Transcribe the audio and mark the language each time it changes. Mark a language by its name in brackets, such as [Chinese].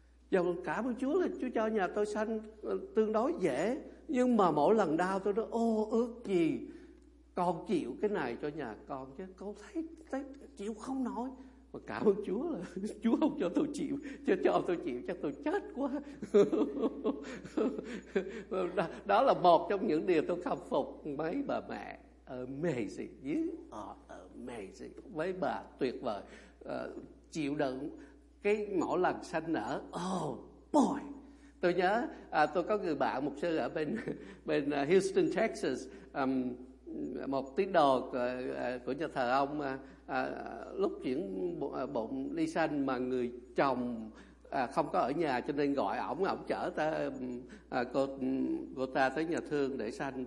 [Vietnamese] Dầu cảm ơn Chúa là Chúa cho nhà tôi sanh tương đối dễ, nhưng mà mỗi lần đau tôi nói ô ước gì con chịu cái này cho nhà con, chứ con thấy chịu không nổi. Mà cảm ơn Chúa là Chúa không cho tôi chịu, chứ cho tôi chịu chắc tôi chết quá. Đó là một trong những điều tôi khâm phục mấy bà mẹ. [English] Amazing, you are amazing. [Vietnamese] Mấy bà tuyệt vời, chịu đựng cái mỗi lần sanh nở. [English] Oh boy. [Vietnamese] Tôi nhớ tôi có người bạn mục sư ở bên Houston, Texas, một tín đồ của nhà thờ ông, lúc chuyển bụng đi sanh mà người chồng không có ở nhà, cho nên gọi ổng chở ta, cô ta tới nhà thương để sanh.